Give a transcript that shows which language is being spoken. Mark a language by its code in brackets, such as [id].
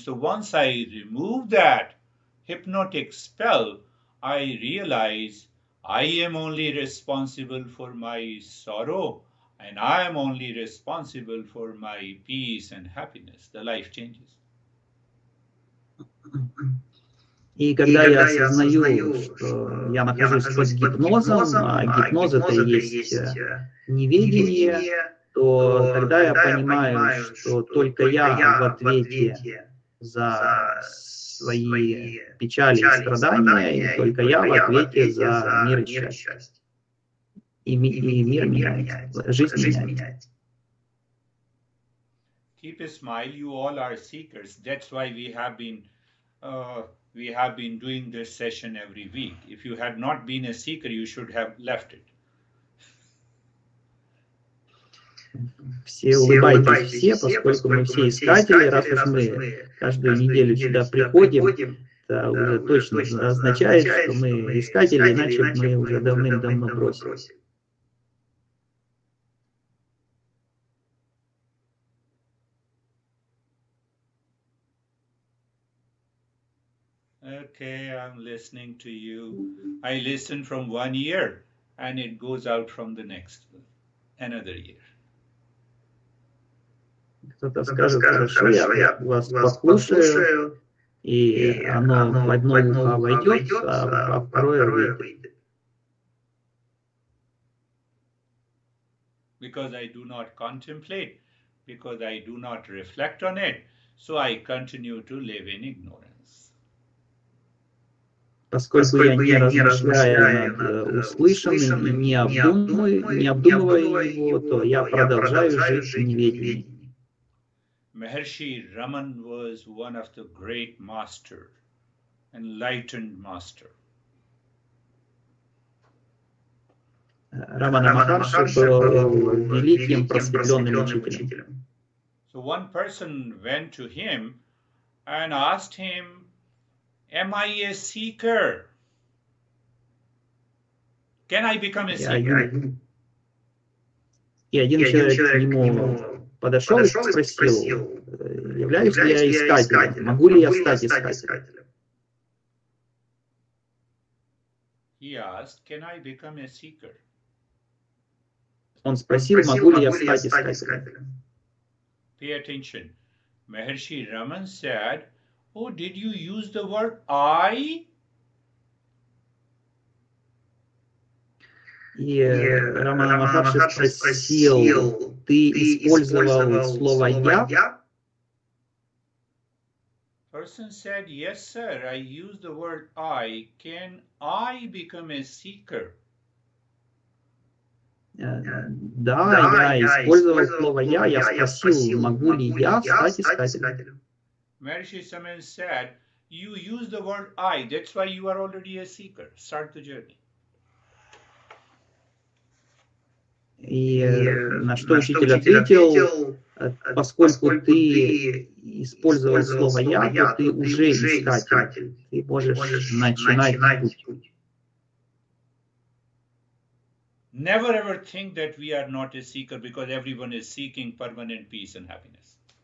[en] So once I remove that hypnotic spell, I realize I am only responsible for my sorrow, and I am only responsible for my peace and happiness. The life changes. [ru] И когда я осознаю, что я нахожусь под гипнозом, а гипноз это и есть неведение, то тогда я понимаю, что только я в ответе за свои печали и страдания, и только я в ответе за мир и счастье. И мир меняет, жизнь меняет. [en] Keep a smile, you all are seekers. That's why we have been doing this session every week. If you had not been a seeker, you should have left it. [ru] Все улыбайтесь, все, поскольку мы все искатели, раз уж мы каждую неделю сюда приходим, это уже точно означает, что мы искатели, иначе мы уже давным-давно бросили. [en] Okay, I'm listening to you. I listen from one ear, and it goes out from the next, another ear. [ru] Кто-то скажет, хорошо, я вас послушаю, и оно в одно ухо войдет, а во второе выйдет. [en] Because I do not contemplate, because I do not reflect on it, so I continue to live in ignorance. [ru] Поскольку я не размышляю над услышанным, не обдумывая его, то я продолжаю жить в неведении. [en] Maharshi Raman was one of the great master, enlightened master. [ru] Рамана Махарши был великим просветленным учителем. [en] So one person went to him and asked him, am I a seeker? Can I become a seeker? [ru] И один человек к нему подошел и спросил, являюсь ли я искателем, могу ли я стать искателем? [en] He asked, can I become a seeker? [ru] Он спросил, могу ли я стать искателем. [en] Pay attention. Maharshi Raman said, oh, did you use the word I? [ru] И Рамана Махарши спросил, ты использовал слово «я»? [en] Person said, yes, sir, I use the word I. Can I become a seeker? [ru] Да, я использовал слово «я», я спросил, могу ли я стать искателем? [en] Maharshi Raman said, you use the word I, that's why you are already a seeker. Start the journey. [ru] И на что учитель ответил, поскольку ты использовал слово «я», то ты уже искатель, ты можешь начинать путь. [en] Never ever think that we are not a seeker, because everyone is seeking permanent peace and happiness.